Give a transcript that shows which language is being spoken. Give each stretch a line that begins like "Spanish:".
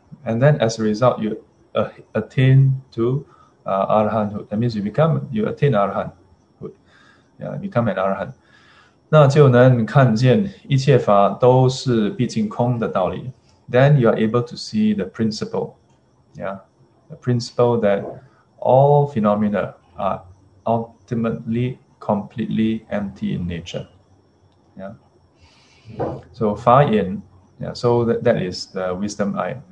English: And then as a result, you attain to arahanthood. That means you attain arahanthood. Yeah, become an arahant.
Chinese: 那就能看见一切法都是毕竟空的道理。
English: Then you are able to see the principle. Yeah, the principle that all phenomena are ultimately completely empty in nature. Yeah. So fa yin, yeah, so that is the wisdom eye.